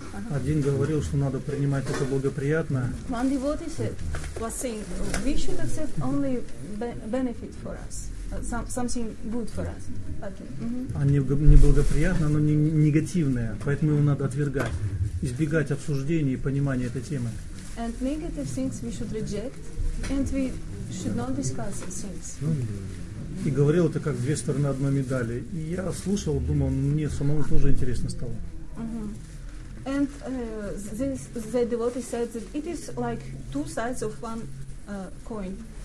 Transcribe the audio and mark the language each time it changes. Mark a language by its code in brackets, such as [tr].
[ru] Один говорил, что надо принимать это благоприятно. [en] One devotee said, was saying, we should accept only benefit for us, something good for us. [ru] Они неблагоприятны, но не негативные, поэтому его надо отвергать, избегать обсуждения и понимания этой темы. [en] And negative things we should reject, and we should not discuss these things. [ru] И говорил это как две стороны одной медали. И я слушал, думал, мне самому тоже интересно стало. [en] And the devotee said that it is like two sides of one coin.